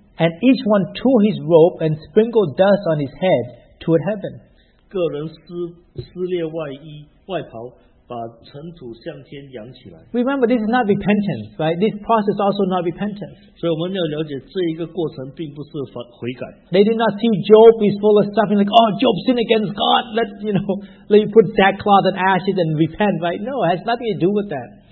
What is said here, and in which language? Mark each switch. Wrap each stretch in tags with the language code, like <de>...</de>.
<en>And each one tore his robe and sprinkled dust on his head toward heaven.</en> <zh>个人撕裂外袍，把尘土向天扬起来。</zh> <en>Remember, this is not repentance, right? This process also not repentance.</en> <zh>所以我们要了解这一个过程并不是悔改。</zh> <en>They did not see Job is full of stuff and like, oh, Job sinned against God. Let you put sackcloth and ashes and repent, right? No, it has nothing to do with that.</en>